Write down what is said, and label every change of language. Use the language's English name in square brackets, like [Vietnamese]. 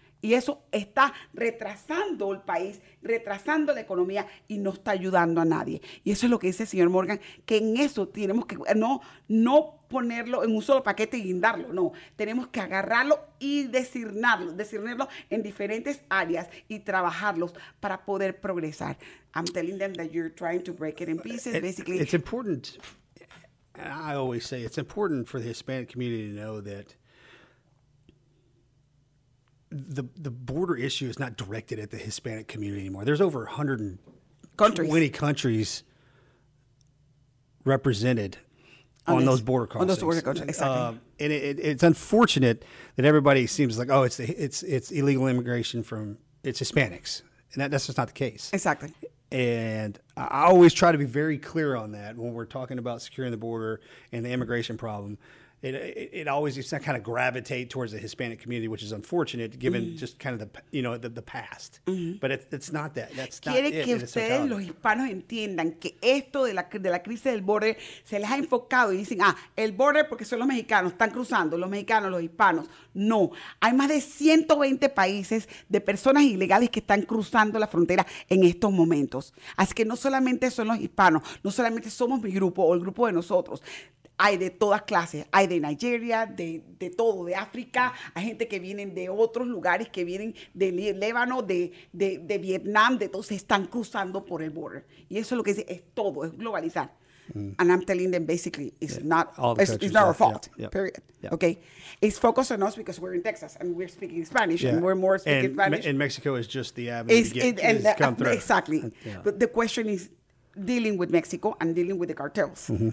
[Spanish] Y eso está retrasando el país, retrasando la economía y no está ayudando a nadie. Y eso es lo que dice el señor Morgan, que en eso tenemos que no ponerlo en un solo paquete y guindarlo, no. Tenemos que agarrarlo y designarlo en diferentes áreas y trabajarlos para poder progresar. [English] I'm telling them that you're trying to break it in pieces, basically. It's important, I always say, it's important for the Hispanic community to know that the border issue is not directed at the Hispanic community anymore. There's over 120 countries represented on those border crossings. On those border crossings, exactly. And it's unfortunate that everybody seems like, oh, it's illegal immigration from, it's Hispanics. And that's just not the case. Exactly. And I always try to be very clear on that when we're talking about securing the border and the immigration problem. It always used to kind of gravitate towards the Hispanic community, which is unfortunate given just kind of the past. Mm-hmm. But it's not that. That's [Spanish] quiere [English] not [Spanish] que Ustedes, los hispanos, entiendan que esto de la crisis del border se les ha enfocado y dicen, el border porque son los mexicanos, están cruzando, los mexicanos, los hispanos. No, hay más de 120 países de personas ilegales que están cruzando la frontera en estos momentos. Así que no solamente son los hispanos, no solamente somos mi grupo o el grupo de nosotros. Hay de todas clases, hay de Nigeria, de todo, de África, hay gente que vienen de otros lugares, que vienen del Líbano, de Vietnam, de todos, se están cruzando por el border. Y eso es lo que dice, es todo, es globalizar. Mm. [English] And I'm telling them, basically, it's not our fault, yeah. Period. Yeah. Okay? It's focused on us because we're in Texas and we're speaking Spanish and we're more speaking and Spanish. And Mexico is just the avenue to come through. Exactly. But the question is, dealing with Mexico and dealing with the cartels. Mm-hmm.